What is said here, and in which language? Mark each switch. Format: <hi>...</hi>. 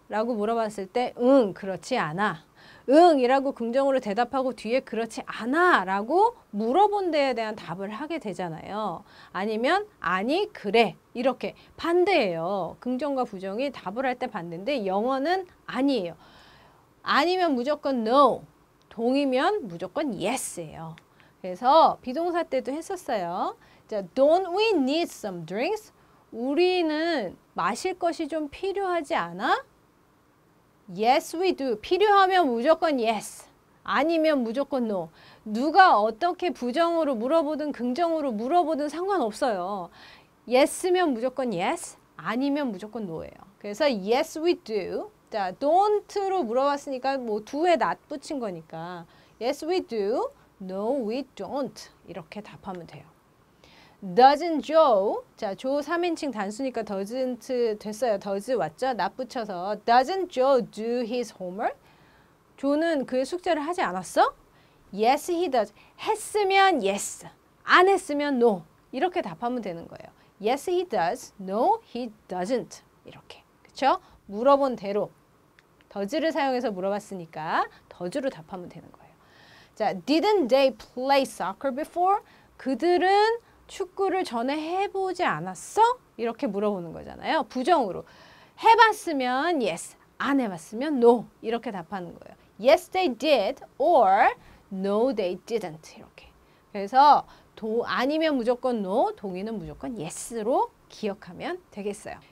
<ko>라고 물어봤을 때 응, 그렇지 않아. 응이라고 긍정으로 대답하고 뒤에 그렇지 않아 라고 물어본 데에 대한 답을 하게 되잖아요. 아니면 아니 그래 이렇게 반대예요. 긍정과 부정이 답을 할 때 반대인데 영어는 아니에요. 아니면 무조건 no, 동이면 무조건 yes예요. 그래서 비동사 때도 했었어요.</ko> <en>자, Don't we need some drinks?</en> <ko>우리는 마실 것이 좀 필요하지 않아?</ko> <en>Yes, we do.</en> <ko>필요하면 무조건 yes. 아니면 무조건 no. 누가 어떻게 부정으로 물어보든 긍정으로 물어보든 상관없어요. Yes면 무조건 yes. 아니면 무조건 no예요.</ko> <en>그래서 yes, we do.</en> <ko>자, don't로 물어봤으니까 뭐 do에 not 붙인 거니까</ko> <en>yes, we do. No, we don't. 이렇게 답하면 돼요.</en> <ko>Doesn't Joe, 자, Joe 3인칭 단수니까 doesn't 됐어요. does 왔죠? 낯 붙여서.</ko> <en>Doesn't Joe do his homework?</en> <ko>Joe는 그의 숙제를 하지 않았어?</ko> <en>Yes, he does. 했으면 yes.</en> <ko>안 했으면</ko> <en>no.</en> <ko>이렇게 답하면 되는 거예요.</ko> <en>Yes, he does. No, he doesn't. 이렇게. 그쵸?</en> <ko>물어본 대로. does를 사용해서 물어봤으니까 does로 답하면 되는 거예요.</ko> <en>자, didn't they play soccer before?</en> <ko>그들은 축구를 전에 해보지 않았어? 이렇게 물어보는 거잖아요. 부정으로. 해봤으면 yes. 안 해봤으면 no. 이렇게 답하는 거예요.</ko> <en>Yes, they did. Or no, they didn't. 이렇게.</en> <ko>그래서 아니면 무조건 no, 동의는 무조건 yes로 기억하면 되겠어요.</ko>